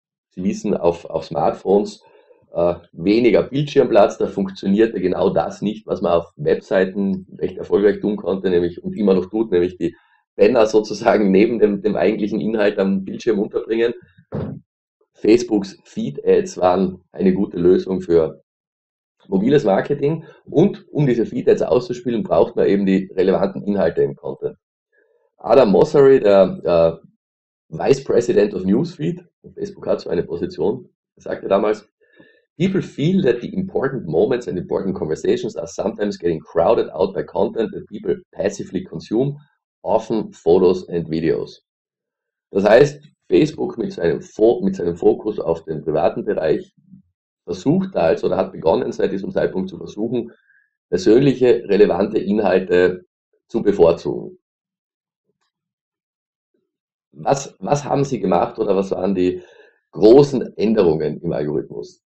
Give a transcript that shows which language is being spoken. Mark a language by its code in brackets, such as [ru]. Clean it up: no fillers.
[de] Sie wissen, auf Smartphones weniger Bildschirmplatz, da funktionierte genau das nicht, was man auf Webseiten recht erfolgreich tun konnte, nämlich und immer noch tut, nämlich die Banner sozusagen neben dem eigentlichen Inhalt am Bildschirm unterbringen. Facebooks Feed-Ads waren eine gute Lösung für mobiles Marketing und um diese Feed-Ads auszuspielen, braucht man eben die relevanten Inhalte im Content. Adam Mosseri, der [en] Vice President of Newsfeed, [de] Facebook hat so eine Position, sagte damals: [en] People feel that the important moments and important conversations are sometimes getting crowded out by content that people passively consume, often photos and videos. [de] Das heißt, Facebook mit seinem Fokus auf den privaten Bereich versucht also oder hat begonnen seit diesem Zeitpunkt zu versuchen, persönliche relevante Inhalte zu bevorzugen. Was haben Sie gemacht oder was waren die großen Änderungen im Algorithmus?